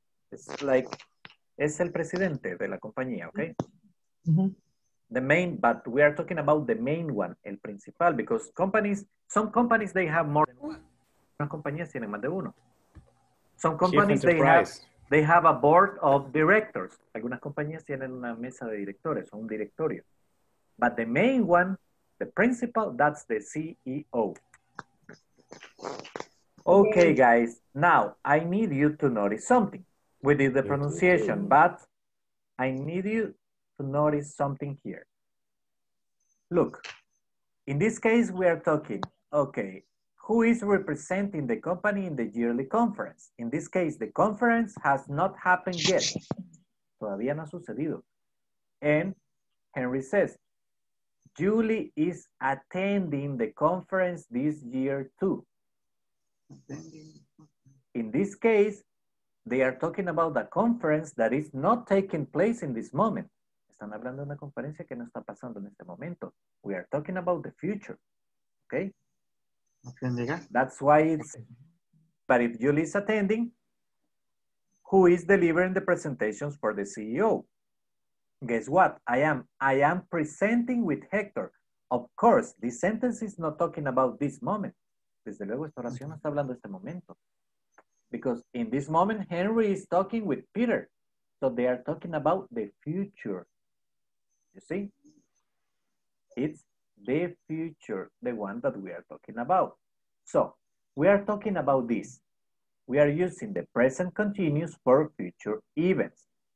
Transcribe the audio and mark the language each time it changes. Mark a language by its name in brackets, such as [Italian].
[English] It's like, [Spanish] es el presidente de la compañía, okay? [English] Mm-hmm. The main, but we are talking about the main one, [Spanish] el principal, [English] because companies, some companies, they have more than one. Some companies [Spanish] tienen más de uno. [English] Some companies, they have a board of directors. [Spanish] Algunas compañías tienen una mesa de directores, o un directorio. [English] But the main one, the principal, that's the CEO. Okay, guys, now I need you to notice something. We did the pronunciation, but I need you to notice something here. Look, in this case, we are talking, okay, who is representing the company in the yearly conference? In this case, the conference has not happened yet. [Spanish] Todavía no ha sucedido. [English] And Henry says, Julie is attending the conference this year too. In this case, they are talking about a conference that is not taking place in this moment. [Spanish] Están hablando de una conferencia que no está pasando en este momento. [English] We are talking about the future. Okay? That's why it's... But if Julie is attending, who is delivering the presentations for the CEO? Guess what? I am presenting with Hector. Of course, this sentence is not talking about this moment. [Spanish] Desde luego, esta oración no está hablando de este momento. [English] Because in this moment, Henry is talking with Peter. So they are talking about the future. You see? It's the future, the one that we are talking about. So we are talking about this. We are using the present continuous for future events.